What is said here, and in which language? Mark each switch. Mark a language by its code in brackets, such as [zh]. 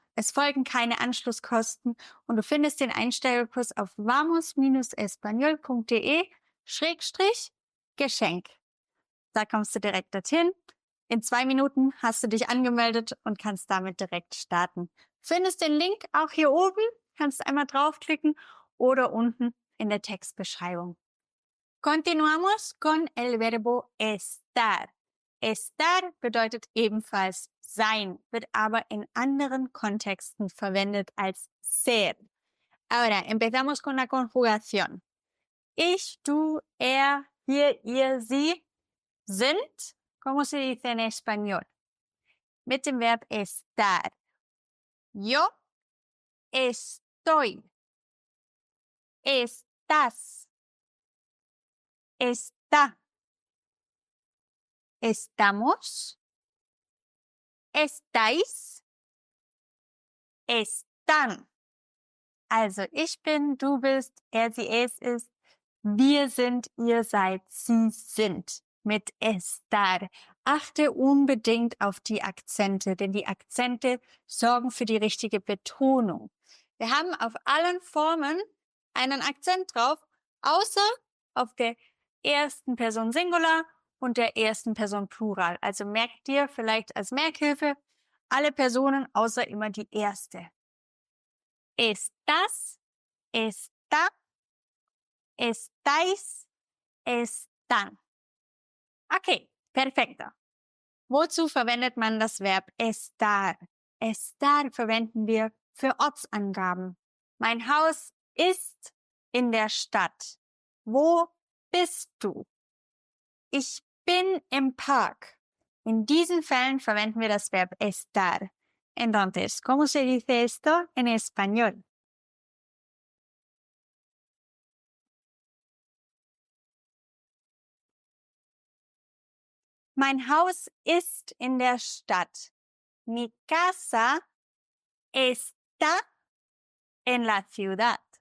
[de] Es folgen keine Anschlusskosten und du findest den Einsteigerkurs auf vamos-espanol.de/geschenk. Da kommst du direkt dorthin. In 2 Minuten hast du dich angemeldet und kannst damit direkt starten. Findest den Link auch hier oben, kannst einmal draufklicken oder unten in der Textbeschreibung. [es] Continuamos con el verbo estar. [de] Estar bedeutet ebenfalls sein, wird aber in anderen Kontexten verwendet als ser. [es] Ahora, empezamos con la conjugación. [de] Ich, du, er, wir, ihr, sie sind. [es] ¿Cómo se dice en español? [de] Mit dem Verb [es] estar. Yo estoy. Estás. Está. Estamos. Estáis, están. [de] Also ich bin, du bist, er, sie, es ist, wir sind, ihr seid, sie sind mit estar. Achte unbedingt auf die Akzente, denn die Akzente sorgen für die richtige Betonung. Wir haben auf allen Formen einen Akzent drauf, außer auf der ersten Person Singular und der ersten Person Plural. Also merk dir vielleicht als Merkhilfe alle Personen außer immer die erste. [es] Estás, está, estáis, están. [de] Okay, perfecto. Wozu verwendet man das Verb estar? Estar verwenden wir für Ortsangaben. Mein Haus ist in der Stadt. Wo bist du? Ich bin im Park. In diesen Fällen verwenden wir das Verb estar. [es] Entonces, ¿cómo se dice esto en español? [de] Mein Haus ist in der Stadt. [es] Mi casa está en la ciudad.